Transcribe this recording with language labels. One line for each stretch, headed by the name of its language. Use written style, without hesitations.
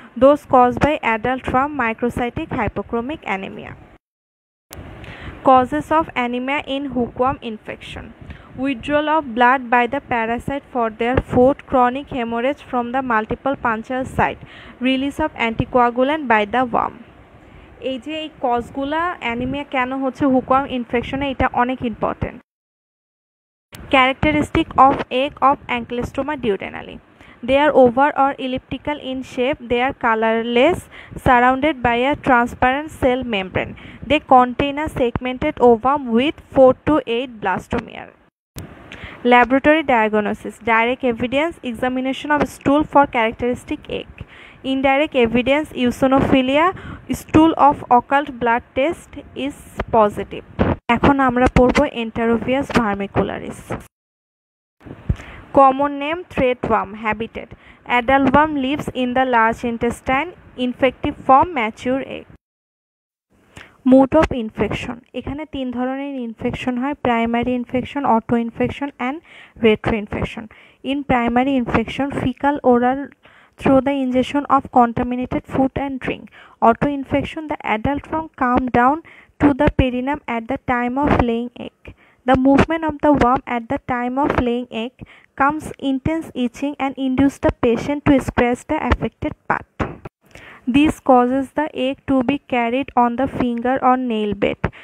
English: Those caused by adult from microcytic hypochromic anemia. Causes of anemia in hookworm infection. Withdrawal of blood by the parasite for their food, chronic hemorrhage from the multiple puncture site, release of anticoagulant by the worm.
Bangla: এই যে এই কজগুলো anaemia কেন হচ্ছে hookworm ইনফেকশনে, এটা অনেক important.
English: Characteristic of egg of ancylostoma duodenale, They are oval or elliptical in shape. They are colorless, surrounded by a transparent cell membrane. They contain a segmented ovum with 4 to 8 blastomere. Laboratory diagnosis. Direct evidence, examination of stool for characteristic egg. Indirect evidence, eosinophilia, stool of occult blood test is positive.
Bangla: এখন আমরা পড়বো
English: Enterobius vermicularis. Common name thread worm habitat adult worm lives in the large intestine infective form mature egg. Mode of infection
Bangla: এখানে তিন ধরনের
English: Infection হয়, primary infection, auto infection and retro infection. In primary infection faecal oral through the injection of contaminated food and drink. Auto infection the adult worm come down to the perineum at the time of laying egg. The movement of the worm at the time of laying egg comes intense itching and induce the patient to scratch the affected part. This causes the egg to be carried on the finger or nail bed.